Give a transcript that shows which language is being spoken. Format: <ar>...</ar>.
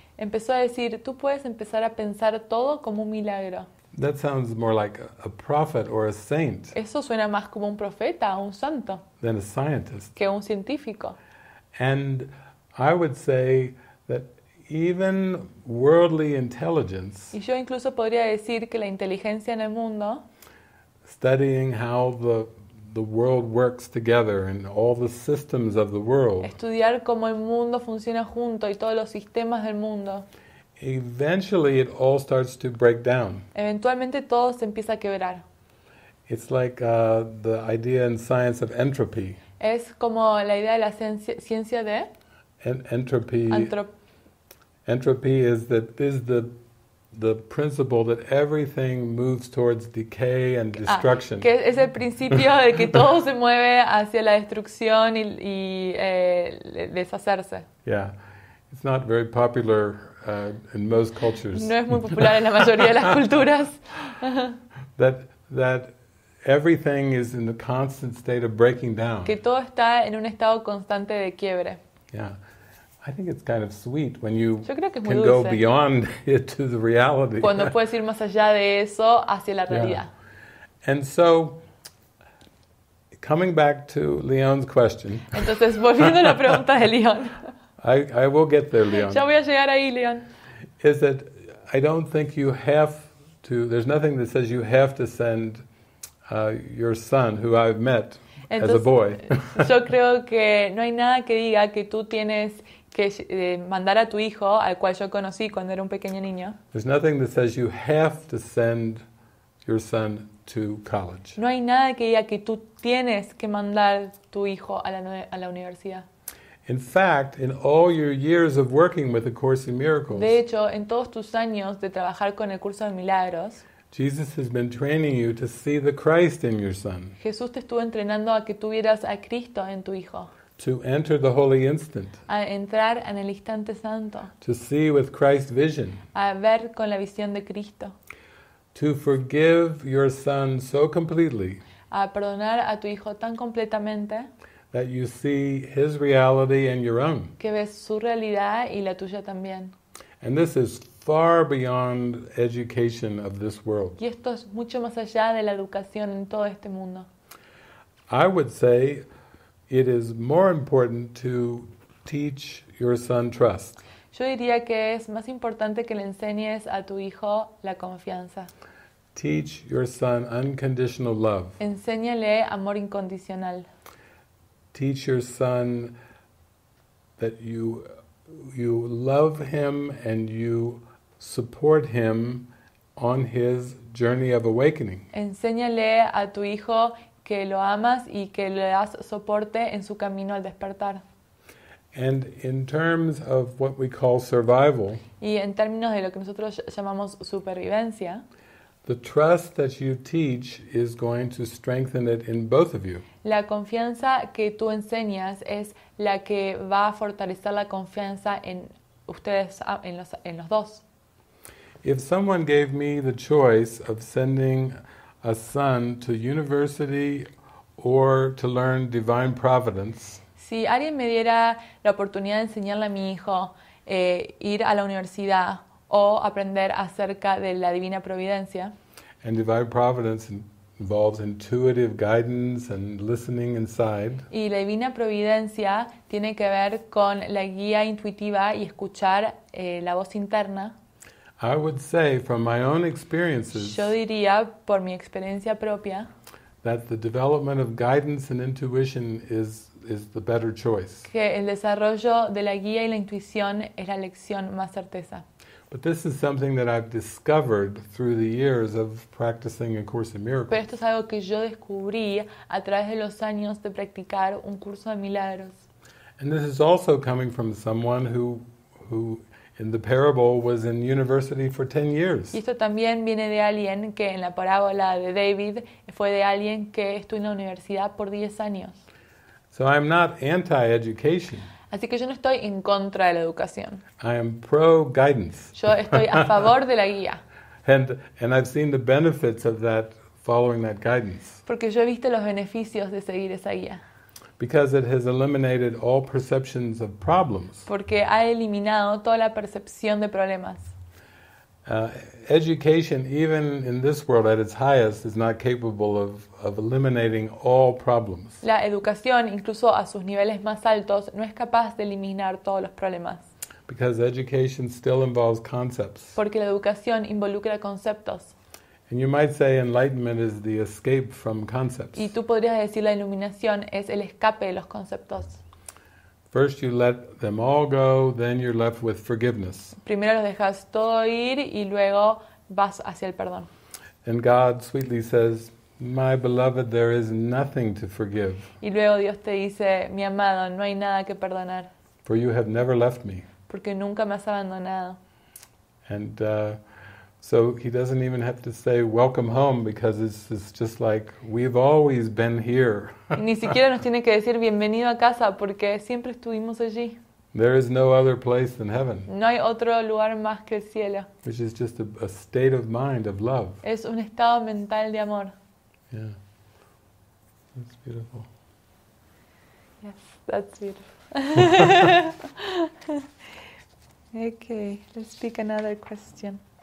<es>Empezó a decir, tú puedes empezar a pensar todo como un milagro.</es> <en>That sounds more like a prophet or a saint.</en> <es>Eso suena más como un profeta o un santo.</es> <en>Than a scientist.</en> <es>Que un científico.</es> <en>And I would say that even worldly intelligence.</en> <es>Y yo incluso podría decir que la inteligencia en el mundo.</es> <en>Studying how the world works together and all the systems of the world.</en> <es>Estudiar cómo el mundo funciona junto y todos los sistemas del mundo.</es> <en>Eventually, it all starts to break down.</en> <es>Eventualmente todo se empieza a quebrar.</es> <en>It's like the idea in science of entropy.</en> <es>Es como la idea de la ciencia de</es> <en>entropy. Entropy is that is the principle that everything moves towards decay and destruction.</en> <es>Que es el principio de que todo se mueve hacia la destrucción y deshacerse.</es> <en>Yeah, it's not very popular. In most cultures.</en> <es>No es muy popular en la mayoría de las culturas.</es> <en>that everything is in a constant state of breaking down.</en> <es>Que todo está en un estado constante de quiebre.</es> <en>Yeah. I think it's kind of sweet when you can go beyond it to the reality.</en> <es>Cuando puedes ir más allá de eso hacia la realidad.</es> <en>Yeah. And so coming back to Leon's question.</en> <es>Entonces volviendo a la pregunta de Leon.</es> <en>I will get there, Leon.</en> <es>Ya voy a llegar ahí, Leon.</es> <en>Is that I don't think you have to. There's nothing that says you have to send your son, who I've met</en> <es>entonces,</es> <en>as a boy.</en> <es>Yo creo que no hay nada que diga que tú tienes que mandar a tu hijo, al cual yo conocí cuando era un pequeño niño.</es> <en>There's nothing that says you have to send your son to college.</en> <es>No hay nada que diga que tú tienes que mandar tu hijo a la universidad.</es> <en>In fact, in all your years of working with the Course in Miracles.</en> <es>De hecho, en todos tus años de trabajar con el curso de milagros.</es> <en>Jesus has been training you to see the Christ in your son.</en> <es>Jesús te estuvo entrenando a que tuvieras a Cristo en tu hijo.</es> <en>To enter the holy instant.</en> <es>A entrar en el instante santo.</es> <en>To see with Christ's vision.</en> <es>A ver con la visión de Cristo.</es> <en>To forgive your son so completely.</en> <es>A perdonar a tu hijo tan completamente.</es> <en>That you see his reality and your own.</en> <es>Que ves su realidad y la tuya también.</es> <en>And this is far beyond education of this world.</en> <es>Y esto es mucho más allá de la educación en todo este mundo.</es> <en>I would say it is more important to teach your son trust.</en> <es>Yo diría que es más importante que le enseñes a tu hijo la confianza.</es> <en>Teach your son unconditional love.</en> <es>Enséñale amor incondicional.</es> <en>Teach your son that you love him and you support him on his journey of awakening.</en> <es>Enséñale a tu hijo que lo amas y que le das soporte en su camino al despertar.</es> <en>And in terms of what we call survival,</en> <es>y en términos de lo que nosotros llamamos supervivencia,</es> <en>the trust that you teach is going to strengthen it in both of you.</en> <es>La confianza que tú enseñas es la que va a fortalecer la confianza en ustedes, en los dos.</es> <en>If someone gave me the choice of sending a son to university or to learn divine providence,</en> <es>si alguien me diera la oportunidad de enseñarle a mi hijo ir a la universidad o aprender acerca de la divina providencia,</es> <en>and divine providence involves intuitive guidance and listening inside,</en> <es>y la divina providencia tiene que ver con la guía intuitiva y escuchar la voz interna,</es> <en>I would say from my own experiences,</en> <es>yo diría por mi experiencia propia,</es> <en>that the development of guidance and intuition is the better choice.</en> <es>Que el desarrollo de la guía y la intuición es la elección más certeza.</es> <en>But this is something that I've discovered through the years of practicing A Course in Miracles.</en> <es>Pero esto es algo que yo descubrí a través de los años de practicar Un Curso de Milagros.</es> <en>And this is also coming from someone who in the parable was in university for 10 years.</en> <es>Y esto también viene de alguien que en la parábola de David fue de alguien que estuvo en la universidad por 10 años.</es> <en>So I'm not anti-education.</en> <es>Así que yo no estoy en contra de la educación.</es> <en>I am pro-guidance.</en> <es>Yo estoy a favor de la guía.</es> <en>And I've seen the benefits of that, following that guidance.</en> <es>Porque yo he visto los beneficios de seguir esa guía.</es> <en>Because it has eliminated all perceptions of problems.</en> <es>Porque ha eliminado toda la percepción de problemas.</es> <en>Education, even in this world at its highest, is not capable of eliminating all problems.</en> <es>La educación, incluso a sus niveles más altos, no es capaz de eliminar todos los problemas.</es> <en>Because education still involves concepts.</en> <es>Porque la educación involucra conceptos.</es> <en>And you might say enlightenment is the escape from concepts.</en> <es>Y tú podrías decir la iluminación es el escape de los conceptos.</es> <en>First you let them all go, then you're left with forgiveness.</en> <es>Primero los dejas todo ir y luego vas hacia el perdón.</es> <en>And God sweetly says, "My beloved, there is nothing to forgive."</en> <es>Y luego Dios te dice, "Mi amado, no hay nada que perdonar."</es> <en>For you have never left me.</en> <es>Porque nunca me has abandonado.</es> <en>And so he doesn't even have to say welcome home, because it's just like we've always been here.</en> <es>Ni siquiera nos tiene que decir bienvenido a casa porque siempre estuvimos allí.</es> <en>There is no other place than heaven.</en> <es>No hay otro lugar más que el cielo.</es> <en>Which is just a state of mind of love.</en> <es>Es un estado mental de amor.</es> <en>Yeah. That's beautiful. Yes, that's beautiful. Okay, let's pick another question.</en>